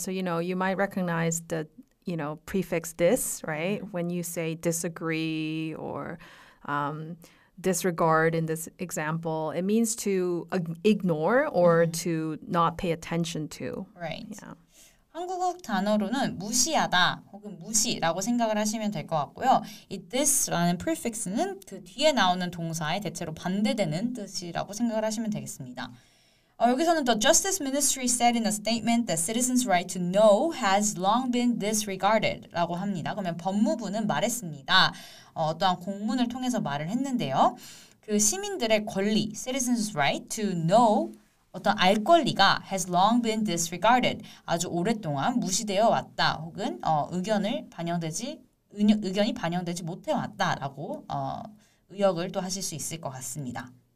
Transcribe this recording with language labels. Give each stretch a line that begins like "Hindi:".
English: So, you know, you might recognize the, you know, prefix this, right? When you say disagree or disregard in this example, it means to ignore or to not pay attention to. Right. Yeah.
Korean: 한국어 단어로는 무시하다 혹은 무시라고 생각을 하시면 될 것 같고요. 이
English: this
Korean: 라는 prefix는 그 뒤에 나오는 동사에 대체로 반대되는 뜻이라고 생각을 하시면 되겠습니다. 여기서는
English: the Justice Ministry said in a statement that citizens' right to know has long been disregarded
Korean: 라고 합니다. 그러면 법무부는 말했습니다. 어떠한 공문을 통해서 말을 했는데요. 그 시민들의 권리,
English: citizens' right to know
Korean: 어떤 알 권리가
English: has long been disregarded.
Korean: 아주 오랫동안 무시되어 왔다. 혹은 의견이 반영되지 못해 왔다라고 의역을 또 하실 수 있을 것 같습니다.